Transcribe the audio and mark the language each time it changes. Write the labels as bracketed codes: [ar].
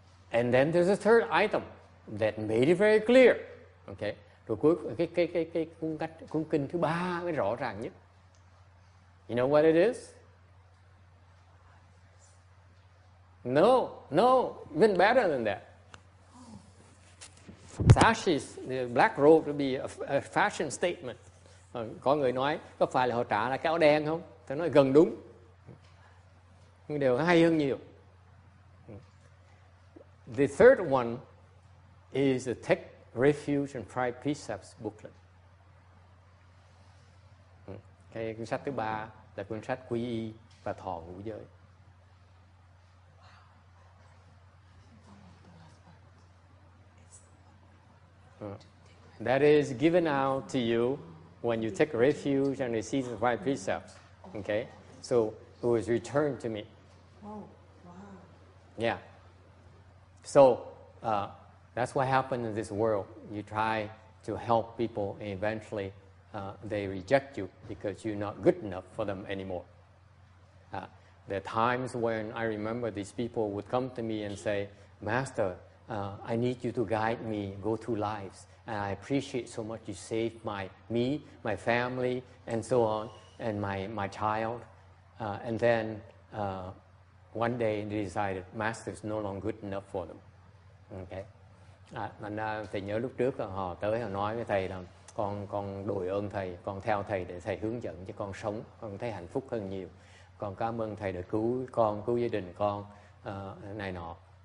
[en] And then there's a third item that made it very clear. Okay. [vi] Rồi cái cuốn kinh thứ ba mới rõ ràng nhất. [en] You know what it is? No, even better than that. Sashis, the black robe would be a fashion statement. [vi] Có người nói, có phải là họ trả là cái áo đen không? Tôi nói gần đúng. Nhưng điều hay hơn nhiều. [en] The third one is a tech Refuge and Five Precepts booklet. [vi] Cái cuốn sách thứ ba là cuốn sách quy y và thọ ngũ giới. [en] That is given out to you when you take refuge and receive the Five Precepts. Okay, so it was returned to me. Wow. Yeah. So, that's what happened in this world. You try to help people and eventually they reject you because you're not good enough for them anymore. There are times when I remember these people would come to me and say, Master, I need you to guide me, go through lives. And I appreciate so much you saved me, my family, and so on, and my child. And then one day they decided, Master is no longer good enough for them. Okay. [vi] Thầy nhớ lúc trước họ tới họ nói với thầy là con đổi ơn thầy, con theo thầy để thầy hướng dẫn cho con sống, con thấy hạnh phúc hơn nhiều. Con cảm ơn thầy đã cứu con, cứu gia đình con này nọ.